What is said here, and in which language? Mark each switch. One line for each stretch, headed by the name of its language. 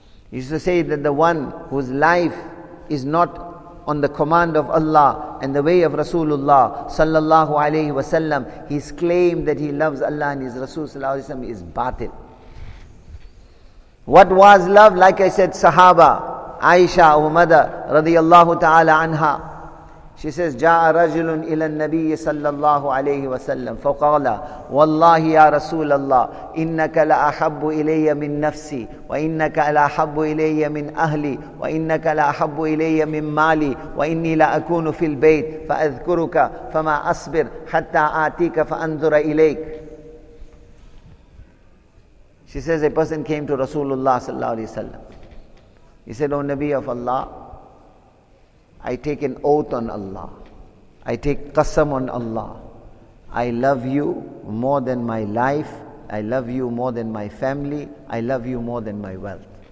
English: He used to say that the one whose life is not on the command of Allah and the way of Rasulullah sallallahu alayhi wa sallam, his claim that he loves Allah and his Rasul sallallahu alayhi wa sallam is batil. What was love? Like I said, Sahaba, Aisha, our mother, radiyallahu ta'ala anha, she says,
Arabic: جاء رجل إلى النبي صلى الله عليه وسلم فقال والله يا رسول الله إنك لأحب إلي من نفسي وإنك لأحب إلي من أهلي وإنك لأحب إلي من مالي وإني لأكون في البيت فأذكرك فما أصبر حتى آتيك فأنظر إليك.
English: She says, a person came to Rasulullah صلى الله عليه وسلم. He said, O Nabi of Allah, I take an oath on Allah. I take qasam on Allah. I love you more than my life. I love you more than my family. I love you more than my wealth.